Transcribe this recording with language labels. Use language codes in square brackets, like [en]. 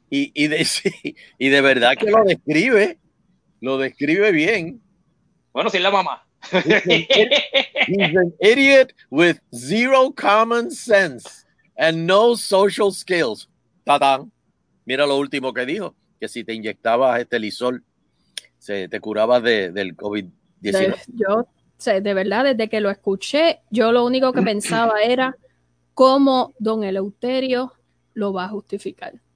[es] Y de verdad que lo describe. Lo describe bien. Bueno, sin la mamá. [en] He's an idiot with zero common sense and no social skills. [es] Tadán. Mira lo último que dijo, que si te inyectabas este Lysol, se te curaba del COVID-19. Yo, de verdad, desde que lo escuché, yo lo único que pensaba era cómo don Eleuterio lo va a justificar.